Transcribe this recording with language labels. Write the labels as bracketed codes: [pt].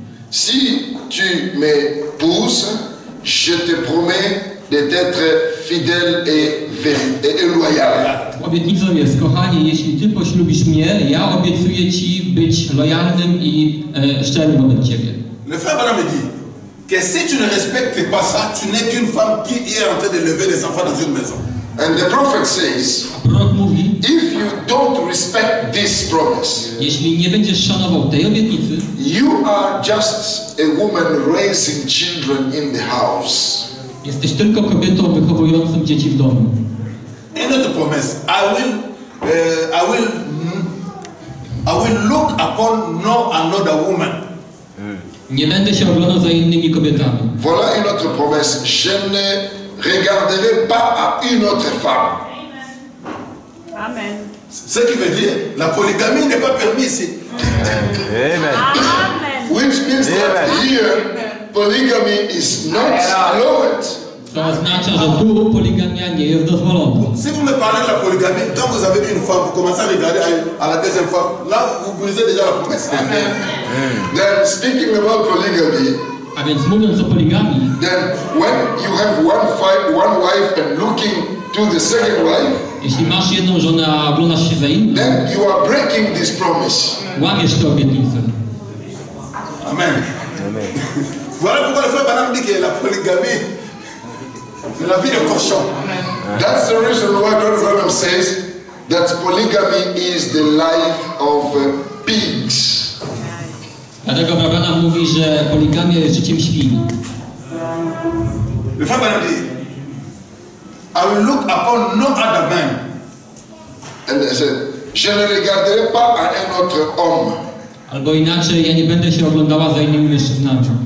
[fr] si tu m'épouses, je te promets d'être fidèle et loyal. [pl] Obietnicą jest, kochanie, jeśli ty poślubisz mnie, ja obiecuję ci być lojalnym i szczerym wobec ciebie. [fr] Le frère Branham dit que si tu ne respectes pas ça, tu n'es qu'une femme qui est en train de lever les enfants dans une maison. [en] And the prophet says, [pl] mówi, [en] if you don't respect this promise, [pl] jeśli nie będziesz szanował tej obietnicy, [en] you are just a woman raising children in the house. [pl] Jesteś tylko kobietą wychowującą dzieci w domu. [en] Another promise. I will look upon no another woman. [pl] Nie będę się oglądał za innymi kobietami. [fr] Voilà une autre promesse. Je ne regarderai pas à une autre femme. Amen. Ce qui veut dire, la polygamie n'est pas permise. Amen. [en] Which means Amen. That here, polygamy is not allowed. [pl] To oznacza, że tu poligamia nie jest dozwolona. [fr] Si vous me parlez de la polygamie, donc vous avez une femme, vous commencez à regarder à la deuxième femme. Là, vous brisez déjà la promesse. [en] Then, speaking about polygamy, [pl] a więc mówiąc o poligamii, [en] then, when you have one wife and looking to the second wife, [pl] Jeśli masz jedną żonę, a oglądasz się za inną, [en] then you are breaking this promise. [pl] Łamiesz tę obietnicę. Amen. [fr] Voilà pourquoi le frère Branham dit que la polygamie, c'est la vie de cochon. [en] That's the reason why Dr. Branham says that polygamy is the life of pigs. [pl] Dlatego Brother Branham mówi, że poligamia jest życiem świn. [fr] Le frère Branham dit, [en] I will look upon no other man. And I said, [fr] je ne regarderai pas à un autre homme. [pl] Albo inaczej, ja nie będę się oglądała za innymi mężczyznami.